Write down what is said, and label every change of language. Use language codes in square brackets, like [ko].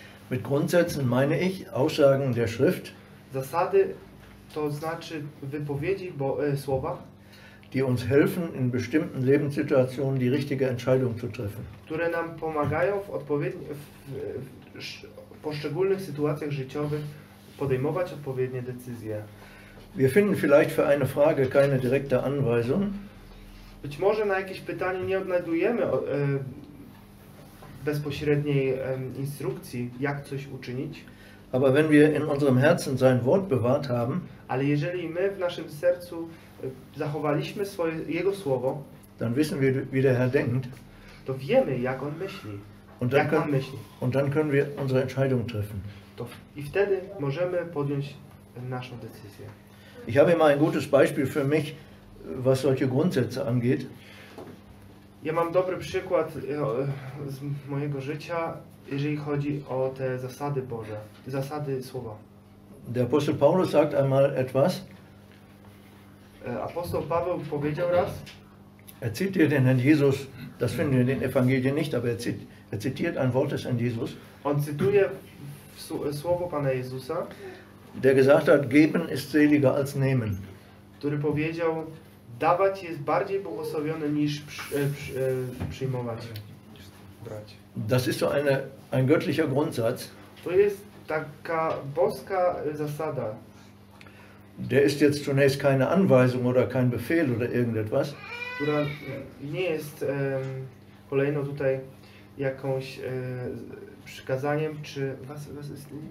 [de] Mit Grundsätzen meine ich Aussagen der Schrift. [pl] Zasady to znaczy wypowiedzi, bo słowa, [de] die uns helfen in bestimmten Lebenssituationen die richtige Entscheidung zu treffen. [pl] Które nam pomagają w odpowiedni w poszczególnych sytuacjach życiowych podejmować odpowiednie decyzje. [de] Wir finden vielleicht für eine Frage keine direkte Anweisung. [pl] Być może na jakieś pytanie nie odnajdujemy bezpośredniej instrukcji, jak coś uczynić. [de] Aber wenn wir in unserem Herzen sein Wort bewahrt haben, [pl] ale jeżeli my w naszym sercu zachowaliśmy swoje, Jego Słowo, [de] dann wissen wir, wie der Herr denkt, [pl] to wiemy, jak On myśli. [de] Und dann, [pl] jak [de] können, [pl] myśli. [de] Und dann können wir unsere Entscheidung treffen. [pl] To, i wtedy możemy podjąć naszą decyzję. [de] Ich habe immer ein gutes Beispiel für mich, was solche Grundsätze angeht. [pl] Ja mam dobry przykład z mojego życia, jeżeli chodzi o te zasady Boże, zasady Słowa. [de] Der Apostel Paulus sagt einmal etwas. [pl] Apostoł Paweł powiedział raz. [de] Er zitiert den Herrn Jesus, das finden wir in den Evangelien nicht, aber er zitiert ein Wort des Herrn Jesus. [pl] On cytuje Słowo Pana Jezusa. [de] Der gesagt hat, geben ist seliger als nehmen. [pl] Który powiedział, dawać jest bardziej błogosławione niż przyjmować. Brać. [de] Das ist so eine, ein göttlicher Grundsatz. [pl] To jest taka boska zasada. [de] Der ist jetzt zunächst keine Anweisung oder kein Befehl oder irgendetwas. [pl] Która nie jest kolejno tutaj jakąś przykazaniem czy [de] was ist